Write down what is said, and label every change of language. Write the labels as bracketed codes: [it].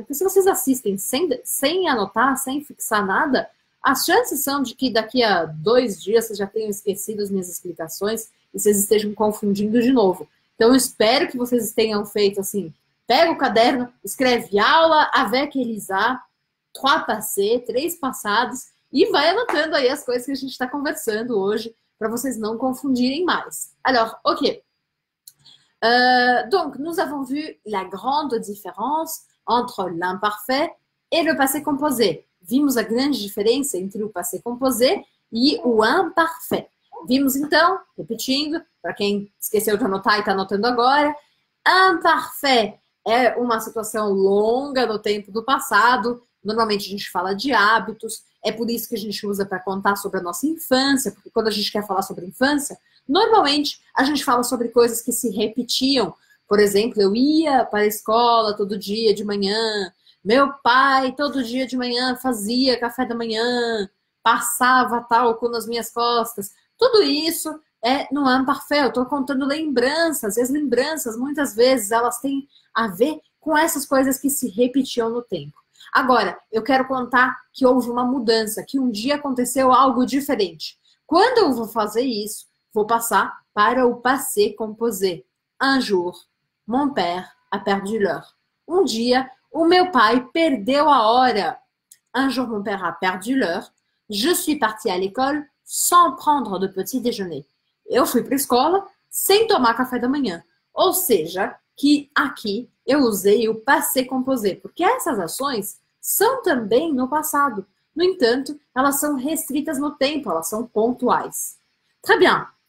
[pt] Porque se vocês assistem sem anotar, sem fixar nada, as chances são de que daqui a 2 dias vocês já tenham esquecido as minhas explicações e vocês estejam confundindo de novo. Então, eu espero que vocês tenham feito assim: pega o caderno, escreve aula avec Elisa, [fr] trois passés, [pt] três passados. E vai anotando aí as coisas que a gente está conversando hoje, para vocês não confundirem mais. [fr] Alors, ok. Donc, nous avons vu la grande différence entre l'imparfait et le passé composé. [pt] Vimos a grande diferença entre o passé composé e o imparfait. Vimos então, repetindo, para quem esqueceu de anotar e está anotando agora, imparfait é uma situação longa no tempo do passado. Normalmente a gente fala de hábitos, é por isso que a gente usa para contar sobre a nossa infância, porque quando a gente quer falar sobre infância, normalmente a gente fala sobre coisas que se repetiam. Por exemplo, eu ia para a escola todo dia de manhã, meu pai todo dia de manhã fazia café da manhã, passava talco nas minhas costas. Tudo isso é no imparfait, eu estou contando lembranças, e as lembranças muitas vezes elas têm a ver com essas coisas que se repetiam no tempo. Agora, eu quero contar que houve uma mudança, que um dia aconteceu algo diferente. Quando eu vou fazer isso, vou passar para o passé composé. [fr] Un jour, mon père a perdu l'heure. [pt] Um dia, o meu pai perdeu a hora. [fr] Un jour, mon père a perdu l'heure. Je suis parti à l'école sans prendre de petit déjeuner. [pt] Eu fui para a escola sem tomar café da manhã. Ou seja, que aqui eu usei o passé composé, porque essas ações são também no passado. No entanto, elas são restritas no tempo, elas são pontuais. [fr] Très bien.